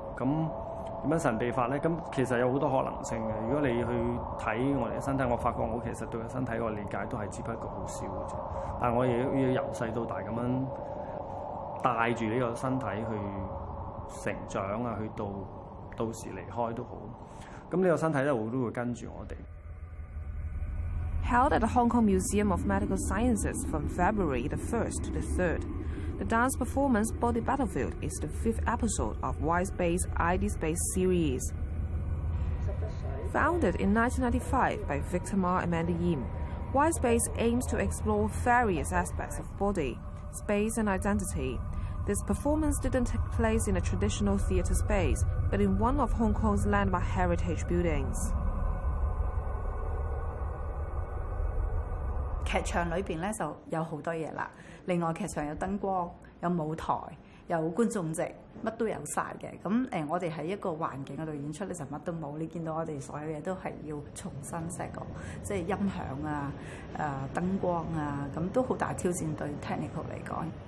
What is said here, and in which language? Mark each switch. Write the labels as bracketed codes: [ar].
[yue] 咁點樣神秘法咧？咁其實有好多可能性嘅。如果你去睇我哋嘅身體，我發覺我其實對身體個理解都係只不過好少嘅啫。但我亦要由細到大咁樣帶住呢個身體去成長啊，去到時離開都好。咁呢個身體咧，我都會跟住我哋。 [en] Held at the Hong Kong Museum of Medical Sciences from February the 1st to the 3rd, the dance performance Body Battlefield is the 5th episode of Y-Space ID Space series. Founded in 1995 by Victor Ma and Mandy Yim, Y-Space aims to explore various aspects of body, space and identity. This performance didn't take place in a traditional theatre space, but in one of Hong Kong's landmark heritage buildings. [yue] 劇場裏面就有很多東西了，另外劇場有燈光、有舞台、有觀眾席，什麼都有曬的。我們在一個環境裡演出就什麼都沒有，你看到我們所有東西都是要重新設計，即是音響啊、燈光啊，都很大挑戰對 technical 來說。